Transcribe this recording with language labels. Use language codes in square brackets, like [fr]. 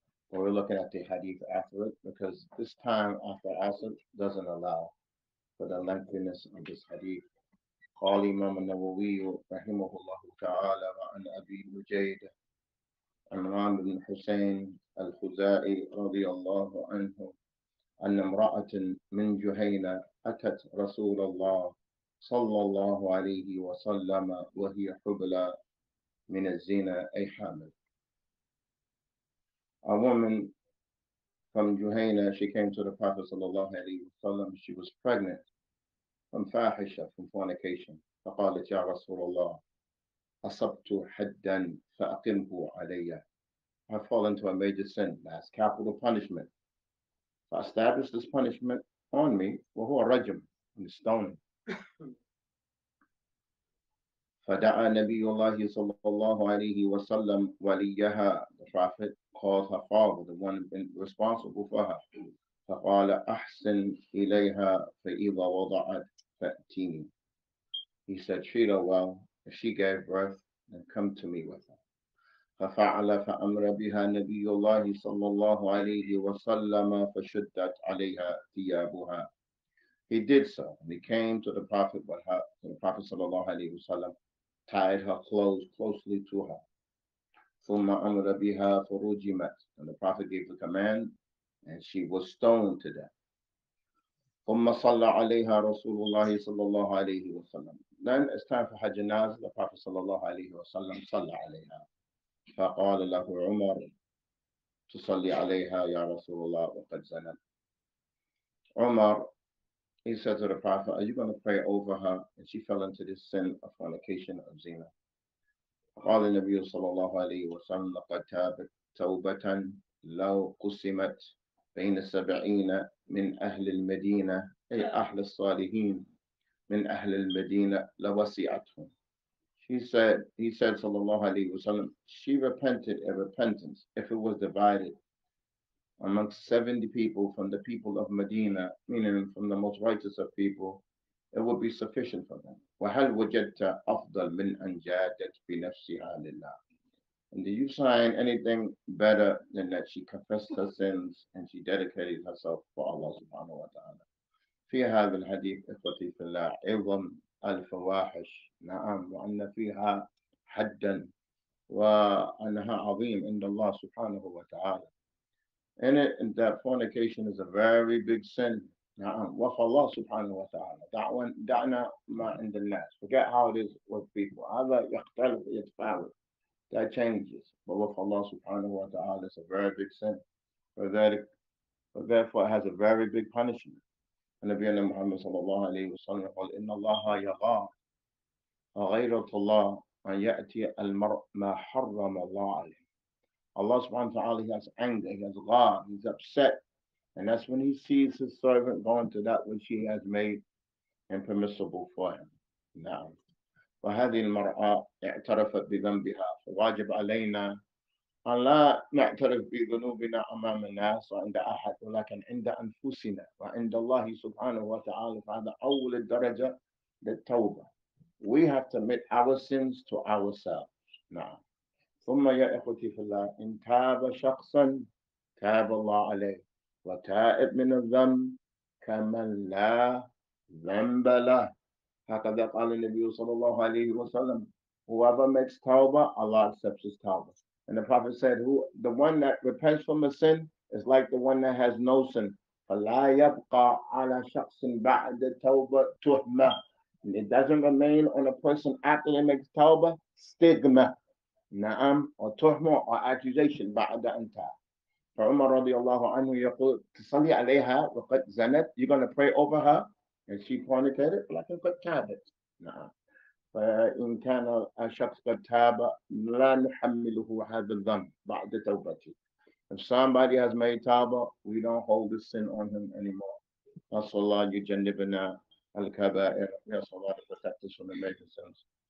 [en] But we're looking at the hadith after it, because this time after Asr doesn't allow for the lengthiness of this hadith. [ar] قال إمام النووي رحمه الله تعالى عن أبي مجيد عمران بن حسين الخزاعي رضي الله عنه أن امرأة من جهينة أتت رسول الله صلى الله عليه وسلم وهي حبلى من الزنا، أي حامل. [en] A woman from Juhayna, she came to the Prophet sallallahu alaihi wasallam. She was pregnant from fahisha, from fornication. [ar] فقالت يا رسول الله أصبت حدا فأقمه علي. [en] I fall into a major sin. That's capital punishment. So establish this punishment on me. [ar] وهو رجم [en] and stoning. [ar] فدعا نبي الله صلى الله عليه وسلم وليها. [en] The Prophet called her father, the one responsible for her. [ar] فقال أحسن إليها فإذا وضعت فأتيني. [en] He said, treat her well. If she gave birth, then come to me with her. [ar] ففعل فأمر بها نبي الله صلى الله عليه وسلم فشدت عليها ثيابها. [en] He did so. And he came to the Prophet, with her, to the Prophet صلى الله عليه وسلم, tied her clothes closely to her. [ar] ثم أمر بها فرجمت. [en] And the Prophet gave the command, and she was stoned to death. [ar] ثم صلى عليها رسول الله صلى الله عليه وسلم. [en] Then it's time for Hajj al-Naz. The Prophet صلى الله عليه وسلم [ar] صلى عليها. فقال له عمر تصلي عليها يا رسول الله وقد زنت. [en] عمر, he said to the Prophet, are you going to pray over her? And she fell into this sin of fornication of zina. [ar] قال النبي صلى الله عليه وسلم لقد تابت توبة لو قسمت بين 70 من أهل المدينة, أي أهل الصالحين من أهل المدينة لوسعتهم. [en] He said صلى الله عليه وسلم, she repented a repentance if it was divided amongst 70 people from the people of Medina, meaning from the most righteous of people, it would be sufficient for them. [ar] وَهَلْ وَجَدْتَ أَفْضَلْ مِنْ أَنْ جَادَتْ بِنَفْسِهَا لِلَّهِ. [en] And did you find anything better than that she confessed her sins and she dedicated herself for Allah subhanahu wa ta'ala. [ar] في هذا الحديث إخوتي في الله عظم الفواحش, نعم, وأن فيها حدا وأنها عظيم عند الله سبحانه وتعالى. [en] In it, and that fornication is a very big sin. [ar] نعم, وفى الله سبحانه وتعالى. دعنا ما عند الناس. [en] Forget how it is with people. [ar] هذا يختلف, يتفاوت. [en] That changes. But [ar] وفى الله سبحانه وتعالى [en] is a very big sin. Therefore, it has a very big punishment. [ar] نبينا محمد صلى الله عليه وسلم يقول إن الله يغار غيرة الله أن يأتي المرء ما حرم الله عليه. [en] Allah subhanahu wa ta'ala, he has anger, he has ghar, he's upset. And that's when he sees his servant going to that which he has made impermissible for him. [ar] Now, فهذه المرأة اعترفت بذنبها. فواجب علينا أن لا نعترف بذنوبنا أمام الناس وعند أحد, ولكن عند أنفسنا وعند الله سبحانه وتعالى. فهذا أول الدرجة للتوبة. [en] We have to admit our sins to ourselves. [ar] Now, ثم يا إخوتي في الله, إن تاب شخصا تاب الله عليه, وتائب من الذنب كمن لا ذنب له. هكذا قال النبي صلى الله عليه وسلم, [en] whoever makes tawbah, Allah accepts his tawbah. And the Prophet said, who the one that repents from a sin is like the one that has no sin. [ar] فلا يبقى على شخص بعد التوبة تهمة. [en] And it doesn't remain on a person after they make tawbah stigma. [ar] نعم, أو تهمة أو [en] accusation [ar] بعد أن تاب. فعمر رضي الله عنه يقول تصلي عليها وقد زنت. [en] You're going to pray over her and she fornicated, [ar] لكن قد تابت. نعم, فإن كان الشخص قد تاب لا نحمله هذا الذنب بعد توبته. [en] If somebody has made tawbah, we don't hold the sin on him anymore. [ar] Asallahu yujannibna al-kaba'ir. [en] Ya Allah, protect us from the major sins.